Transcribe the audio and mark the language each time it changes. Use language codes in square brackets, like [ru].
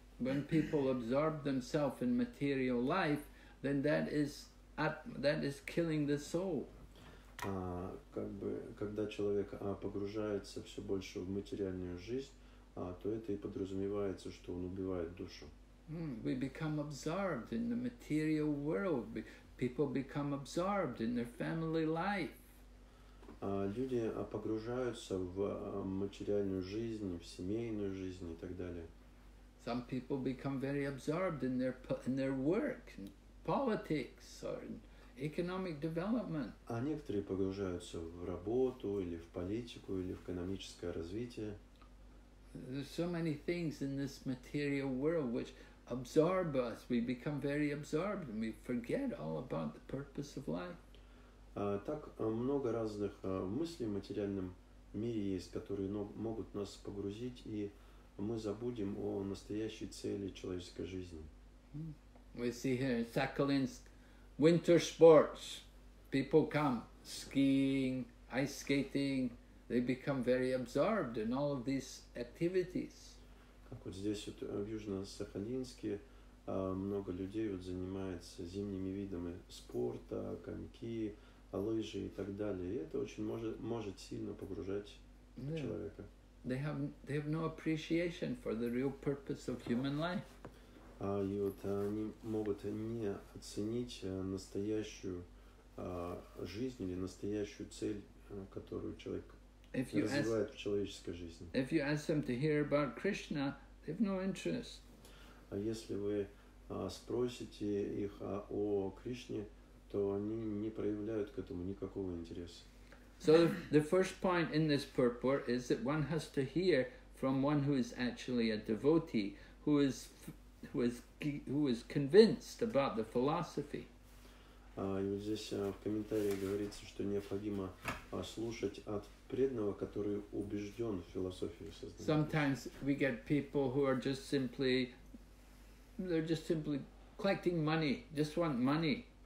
[en] When people absorb themselves in material life, then that is killing the soul. [ru] Как бы, когда человек погружается все больше в материальную жизнь, то это и подразумевается, что он убивает душу. [en] We become absorbed in the material world. People become absorbed in their family life. [ru] Люди погружаются в материальную жизнь, в семейную жизнь и так далее. [en] Some people become very absorbed in their work, in politics or in economic development. [ru] А некоторые погружаются в работу или в политику или в экономическое развитие. [en] There's so many things in this material world which absorb us. We become very absorbed and we forget all about the purpose of life. [ru] Так много разных мыслей в материальном мире есть, которые могут нас погрузить, и мы забудем о настоящей цели человеческой жизни. [en] We see here in Sakhalin winter sports. People come skiing, ice skating. They become very absorbed in all of these activities. [ru] Как вот здесь вот в Южно-Сахалинске много людей вот занимается зимними видами спорта, коньки, лыжи и так далее. И это очень может сильно погружать человека. [en] They have no appreciation for the real purpose of human life. [ru] И вот они могут не оценить настоящую жизнь или настоящую цель, которую человек развивает в человеческой жизни. [en] If you ask them to hear about Krishna, they have no interest. [ru] А если вы спросите их о Кришне, то они не проявляют к этому никакого интереса. [en] So the first point in this purport is that one has to hear from one who is actually a devotee, who is convinced about the philosophy. [ru] И вот здесь в комментарии говорится, что необходимо слушать от преданного, который убежден в философии сознания. [en] Sometimes we get people who are just simply, they're just simply collecting money, just want money.